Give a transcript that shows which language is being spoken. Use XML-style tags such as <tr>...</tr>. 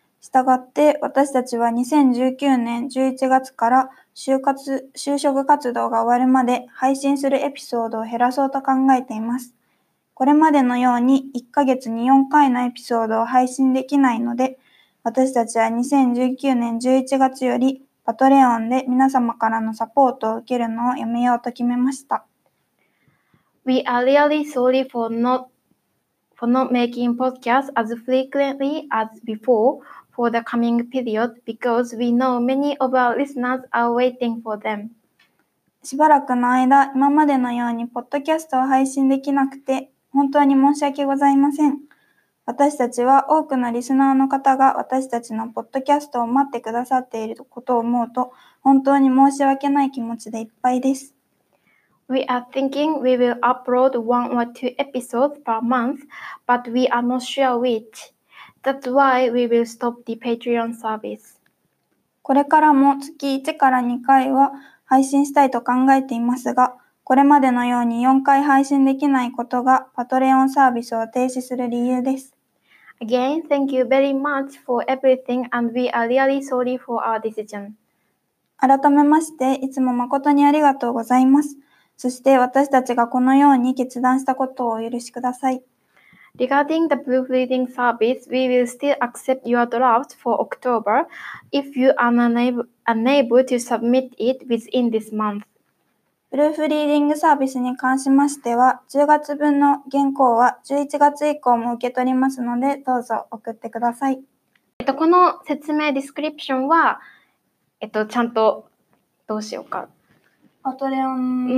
<ja>したがって、私たちは2019年11月から就職活動が終わるまで配信するエピソードを減らそうと考えています。これまでのように1ヶ月に4回のエピソードを配信できないので、私たちは2019年11月よりパトレオンで皆様からのサポートを受けるのをやめようと決めました。</ja> <en>We are really sorry for not making podcasts as frequently as before for the coming period because we know many of our listeners are waiting for them.</en> <ja>しばらくの間、今までのようにポッドキャストを配信できなくて本当に申し訳ございません。私たちは多くのリスナーの方が私たちのポッドキャストを待ってくださっていることを思うと本当に申し訳ない気持ちでいっぱいです。</ja> <en>We are thinking we will upload one or two episodes per month, but we are not sure which. That's why we will stop the Patreon service.</en> <ja>これからも月1から2回は配信したいと考えていますが、これまでのように4回配信できないことがパトレオンサービスを停止する理由です。</ja> <en>Again, thank you very much for everything and we are really sorry for our decision.</en> <ja>改めまして、いつも誠にありがとうございます。そして私たちがこのように決断したことをお許しください。</ja> <en>Regarding the proofreading service, we will still accept your draft for October if you are unable to submit it within this month.</en> <ja>プルーフリーディングサービスに関しましては、10月分の原稿は11月以降も受け取りますので、どうぞ送ってください。この説明、ディスクリプションは、ちゃんと、どうしようか。パトレオン</ja>